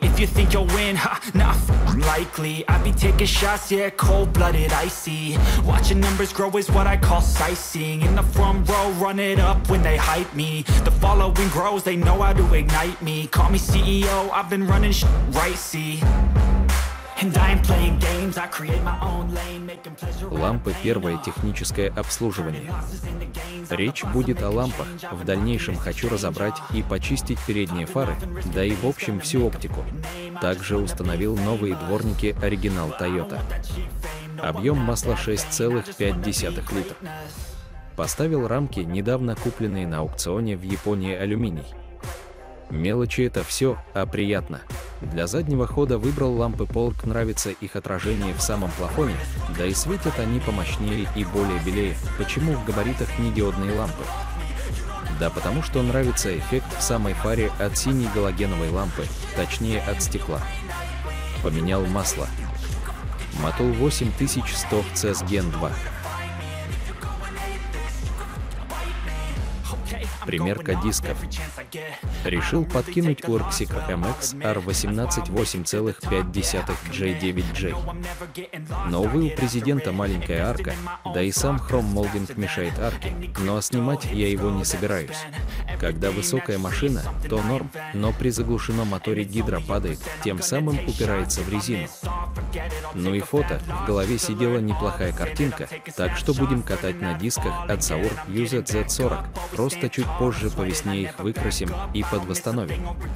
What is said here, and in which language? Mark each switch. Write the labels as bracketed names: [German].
[English] If you think you'll win, ha, nah, f***ing likely. I be taking shots, yeah, cold-blooded, icy. Watching numbers grow is what I call sightseeing. In the front row, run it up when they hype me. The following grows, they know how to ignite me. Call me CEO, I've been running shit right, see. And I'm playing games, I create my own lane. [Russian] Лампы первое техническое обслуживание. Речь будет о лампах. В дальнейшем хочу разобрать и почистить передние фары, да и в общем всю оптику. Также установил новые дворники оригинал Toyota. Объем масла 6,5 литра. Поставил рамки, недавно купленные на аукционе в Японии, алюминий. Мелочи это все, а приятно. Для заднего хода выбрал лампы Polk, нравится их отражение в самом плафоне, да и светят они помощнее и более белее. Почему в габаритах не диодные лампы? Да потому что нравится эффект в самой фаре от синей галогеновой лампы, точнее от стекла. Поменял масло. Мотул 8100 в CES Gen 2. Примерка дисков. Решил подкинуть Urxic MX R18 8,5 J9J. Но увы, у президента маленькая арка, да и сам хром молдинг мешает арке, ну а снимать я его не собираюсь. Когда высокая машина, то норм, но при заглушенном моторе гидро падает, тем самым упирается в резину. Ну и фото, в голове сидела неплохая картинка, так что будем катать на дисках от Saur UZZ40, просто чуть позже по весне их выкрасим и подвосстановим.